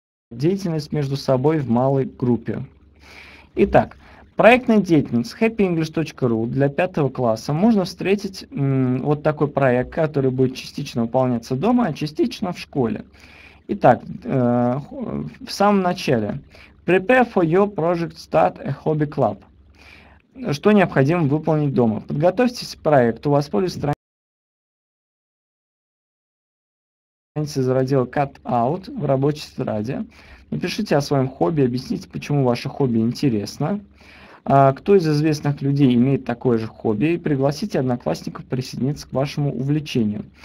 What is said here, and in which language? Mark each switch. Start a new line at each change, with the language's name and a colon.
Russian: деятельность между собой в малой группе. Итак, проектная деятельность happyenglish.ru для пятого класса можно встретить вот такой проект, который будет частично выполняться дома, а частично в школе. Итак, в самом начале.
English: Prepare for your project start a hobby club.
Russian: Что необходимо выполнить дома? Подготовьтесь к проекту, воспользуйтесь страницей из раздела Cut Out в рабочей тетради. Напишите о своем хобби, объясните, почему ваше хобби интересно. Кто из известных людей имеет такое же хобби? И пригласите одноклассников присоединиться к вашему увлечению.